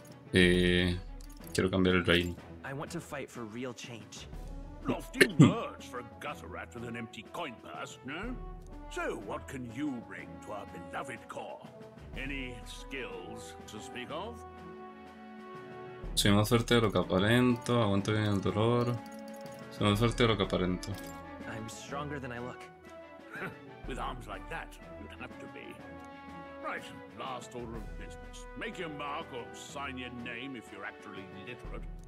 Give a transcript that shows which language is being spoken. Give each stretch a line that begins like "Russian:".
Spanish: Quiero cambiar el reino.
English: I want to fight for real change. Lofty words for a gutter rat with an empty coin purse, no? So, what can you bring to our beloved core? Any skills to speak of?
Spanish: Soy más fuerte de lo que aparento, aguanto bien el dolor. Soy más fuerte de lo que aparento. I'm stronger than I look.
English: With arms like that, you'd have to be. Right, last order of business. Make your mark or sign your name if you're actually literate.